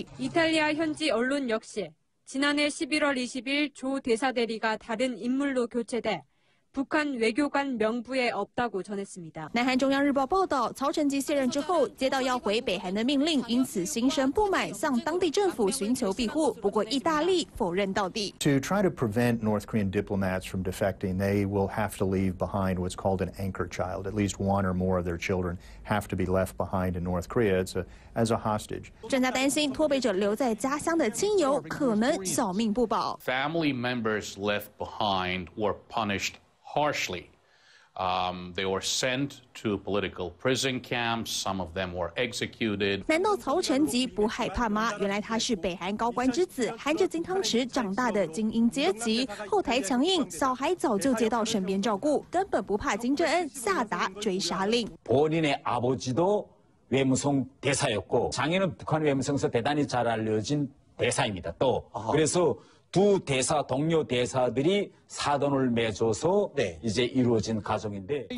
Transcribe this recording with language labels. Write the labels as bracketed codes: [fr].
[ko] 이탈리아현지언론역시지난해11월20일조대사대리가다른인물로교체돼북한외교관명부에없다고전했습니다 [zh] 南韩中央日报报道，曹承吉卸任之后，接到要回北韩的命令，因此心生不满，向当地政府寻求庇护。不过，意大利否认到底。 [en] To try to prevent North Korean diplomats from defecting, they will have to leave behind what's called an anchor child. At least one or more of their children have to be left behind in North Korea as a hostage. [zh] 专家担心，脱北者留在家乡的亲友可能小命不保。 [en] Family members left behind were punished. Harshly, they were sent to political prison camps. Some of them were executed. [zh] 难道曹承吉不害怕吗？原来他是北韩高官之子，含着金汤匙长大的精英阶级，后台强硬，小孩早就接到身边照顾，根本不怕金正恩下达追杀令。 [ko] 본인의아버지도외무성대사였고장인은북한외무성에서대단히잘알려진대사입니다또그래서두대사동료대사들이사돈을맺어서이제이루어진가정인데